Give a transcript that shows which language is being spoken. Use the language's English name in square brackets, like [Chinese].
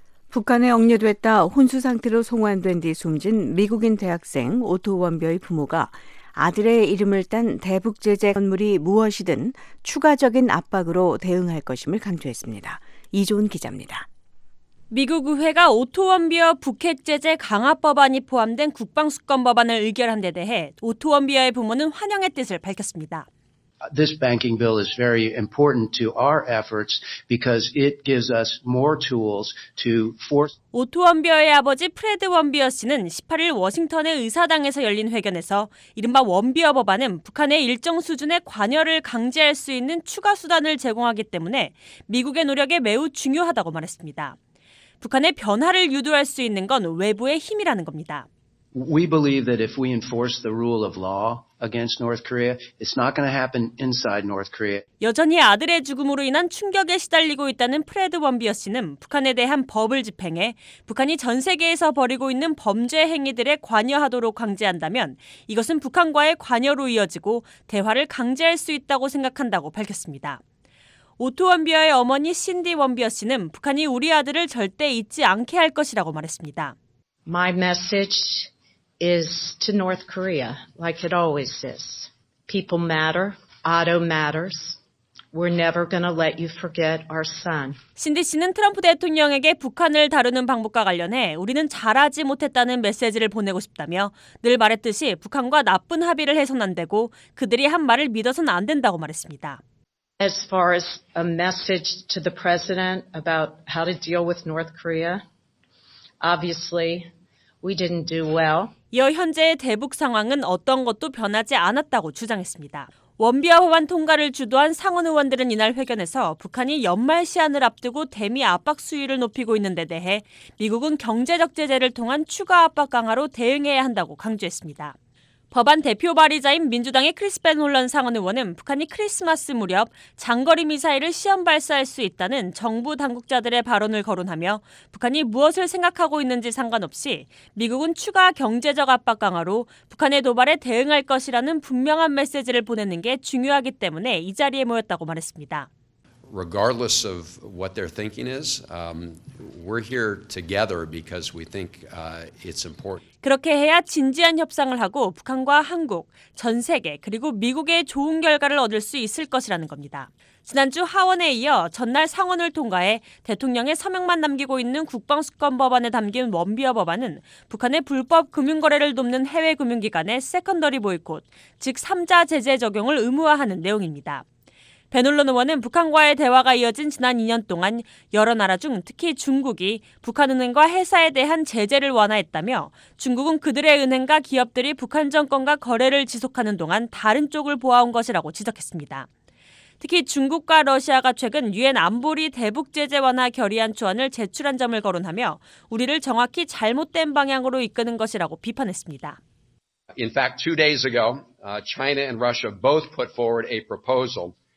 [Korean] 북한에 억류됐다 혼수 상태로 송환된 뒤 숨진 미국인 대학생 오토 원벼의 부모가 아들의 이름을 딴 대북 제재 건물이 무엇이든 추가적인 압박으로 대응할 것임을 강조했습니다. 이조은 기자입니다. 미국 의회가 오토 원비어 북핵 제재 강화 법안이 포함된 국방 수권 법안을 의결한 데 대해 오토 원비어의 부모는 환영의 뜻을 밝혔습니다. [English] This banking bill is very important to our efforts because it gives us more tools to force. [Korean] 오토 원비어의 아버지 프레드 원비어 씨는 18일 워싱턴의 의사당에서 열린 회견에서 이른바 원비어 법안은 북한의 일정 수준의 관여를 강제할 수 있는 추가 수단을 제공하기 때문에 미국의 노력에 매우 중요하다고 말했습니다. 북한의 변화를 유도할 수 있는 건 외부의 힘이라는 겁니다. [English] We believe that if we enforce the rule of law against North Korea, it's not going to happen inside North Korea. [Korean] 여전히 아들의 죽음으로 인한 충격에 시달리고 있다는 프레드 원비어 씨는 북한에 대한 법을 집행해 북한이 전 세계에서 벌이고 있는 범죄 행위들에 관여하도록 강제한다면 이것은 북한과의 관여로 이어지고 대화를 강제할 수 있다고 생각한다고 밝혔습니다. 오토 원비어의 어머니 신디 원비어 씨는 북한이 우리 아들을 절대 잊지 않게 할 것이라고 말했습니다. [English] My message is to North Korea, like it always is. People matter. Otto matters. We're never gonna let you forget our son. [Korean] 신디 씨는 트럼프 대통령에게 북한을 다루는 방법과 관련해 우리는 잘하지 못했다는 메시지를 보내고 싶다며 늘 말했듯이 북한과 나쁜 합의를 해서는 안 되고 그들이 한 말을 믿어서는 안 된다고 말했습니다. [English] As far as a message to the president about how to deal with North Korea, obviously we didn't do well. [Korean] 이어 현재의 대북 상황은 어떤 것도 변하지 않았다고 주장했습니다. 원비어 법안 통과를 주도한 상원 의원들은 이날 회견에서 북한이 연말 시한을 앞두고 대미 압박 수위를 높이고 있는 데 대해 미국은 경제적 제재를 통한 추가 압박 강화로 대응해야 한다고 강조했습니다. 법안 대표 발의자인 민주당의 크리스 벤 홀런 상원 의원은 북한이 크리스마스 무렵 장거리 미사일을 시험 발사할 수 있다는 정부 당국자들의 발언을 거론하며 북한이 무엇을 생각하고 있는지 상관없이 미국은 추가 경제적 압박 강화로 북한의 도발에 대응할 것이라는 분명한 메시지를 보내는 게 중요하기 때문에 이 자리에 모였다고 말했습니다. [English] Regardless of what their thinking is, we're here together because we think it's important. [Korean] 그렇게 해야 진지한 협상을 하고 북한과 한국, 전 세계 그리고 미국의 좋은 결과를 얻을 수 있을 것이라는 겁니다. 지난주 하원에 이어 전날 상원을 통과해 대통령의 서명만 남기고 있는 국방수권 법안에 담긴 원비어 법안은 북한의 불법 금융거래를 돕는 해외금융기관의 세컨더리 보이콧, 즉 3자 제재 적용을 의무화하는 내용입니다. 베놀론 의원은 북한과의 대화가 이어진 지난 2년 동안 여러 나라 중 특히 중국이 북한 은행과 회사에 대한 제재를 완화했다며 중국은 그들의 은행과 기업들이 북한 정권과 거래를 지속하는 동안 다른 쪽을 보아온 것이라고 지적했습니다. 특히 중국과 러시아가 최근 유엔 안보리 대북 제재 완화 결의안 초안을 제출한 점을 거론하며 우리를 정확히 잘못된 방향으로 이끄는 것이라고 비판했습니다. [English] In fact, two days ago, China and Russia both put forward a proposal.